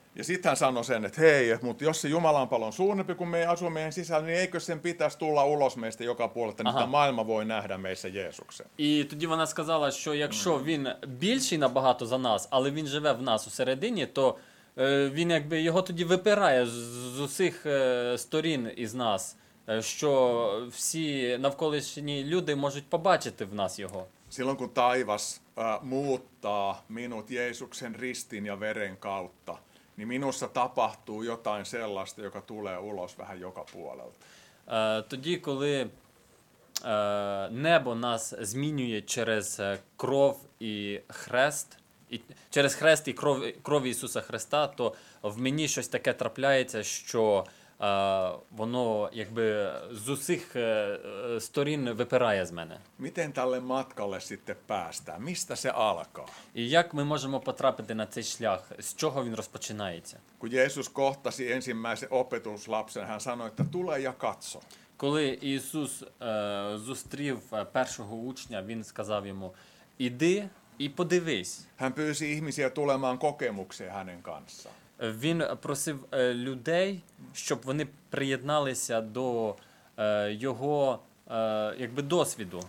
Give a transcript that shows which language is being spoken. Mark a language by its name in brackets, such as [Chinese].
[Finnish] Ja sitten hän sanoi sen, että hei, mutta jos se Jumala on paljon suurempi kuin me ei asu meidän sisällä, niin eikö sen pitäisi tulla ulos meistä joka puolelta, niin tämä maailma voi nähdä meissä Jeesuksen. [Ukrainian] І тоді вона сказала, що якщо він більший набагато за нас, але він живе в нас усередині, то він якби його тоді випирає з усіх сторін із нас, що всі навколишні люди можуть побачити в нас його. [Finnish] Silloin kun taivas muuttaa minut Jeesuksen ristin ja veren kautta, niin minussa tapahtuu jotain sellaista, joka tulee ulos vähän joka puolelta. [Ukrainian] Тоді, коли небо нас змінює через кров і хрест, і через хрест і кров Ісуса Христа, то в мені щось таке трапляється, що воно якби з усіх сторін випирає з мене. [Finnish] Miten tälle matkalle sitten päästään? Mistä se alkaa? [Ukrainian] І як ми можемо потрапити на цей шлях? З чого він розпочинається? [Finnish] Kun Jeesus kohtasi ensimmäisen opetuslapsen, hän sanoi, että tule ja katso. [Ukrainian] Коли Ісус зустрів першого учня, він сказав йому: "Іди і подивись". [Finnish] Hän pyysi ihmisiä tulemaan kokemukseen hänen kanssaan. [Ukrainian] Він просив людей, щоб вони приєдналися до його якби досвіду.